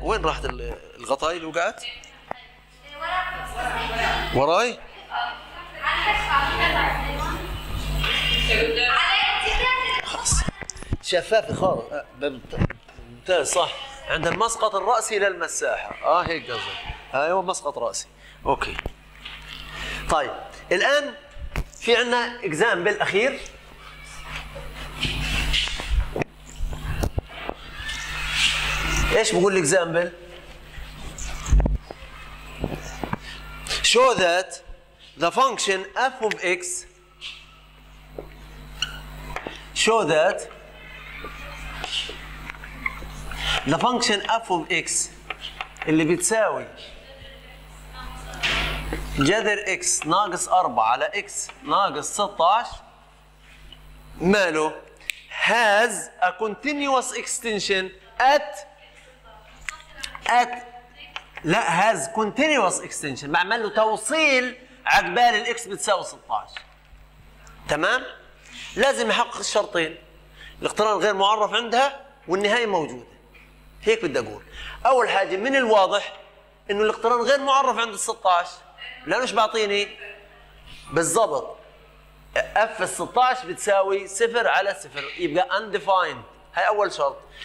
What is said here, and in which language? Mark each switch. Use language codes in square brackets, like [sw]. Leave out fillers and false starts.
[ar] وين راحت الغطاي اللي وقعت؟ وراي؟ خلاص شفافة خالص، ممتاز صح. عند المسقط الرأسي للمساحة، هيك قصدك، ايوه مسقط رأسي، اوكي. طيب الآن في عندنا اكزامبل اخير، ايش بقول الاكزامبل؟ [en] show that the function f of x show that the function f of x [ar] اللي بتساوي جذر x ناقص 4 على x ناقص 16 ماله [en] has a continuous extension at [ar] لا [en] has continuous extension، [ar] بعمل له توصيل عقبال ال x بتساوي 16. تمام؟ لازم يحقق الشرطين، الاقتران غير معرف عندها والنهايه موجوده. هيك بدي اقول. اول حاجه من الواضح انه الاقتران غير معرف عند ال 16، لانه ايش بعطيني؟ بالضبط اف ال 16 بتساوي 0 على 0، يبقى undefined. هاي اول شرط.